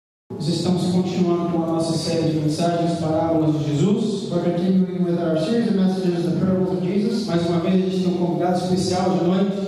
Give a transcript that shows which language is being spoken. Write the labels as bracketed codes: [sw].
[pt] Nós estamos continuando com a nossa série de mensagens, parábolas de Jesus. [en] We're continuing with our series of messages, the parables of Jesus. [pt] Mais uma vez, a gente tem um convidado especial de noite.